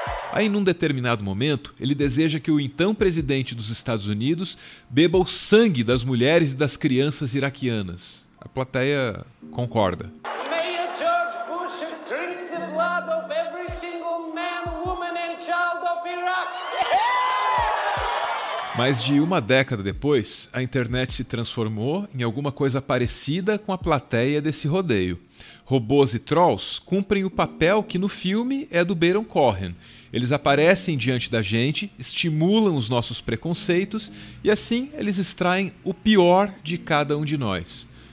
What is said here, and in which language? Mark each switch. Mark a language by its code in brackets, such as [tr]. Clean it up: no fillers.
[pt] Aí, num determinado momento, ele deseja que o então presidente dos Estados Unidos beba o sangue das mulheres e das crianças iraquianas. A plateia concorda. [en] May George Bush drink the blood of every single man, woman and child of Iraq. [pt] Mas de uma década depois, a internet se transformou em alguma coisa parecida com a plateia desse rodeio. Robôs e trolls cumprem o papel que no filme é do Baron Cohen. Eles aparecem diante da gente, estimulam os nossos preconceitos e assim eles extraem o pior de cada um de nós.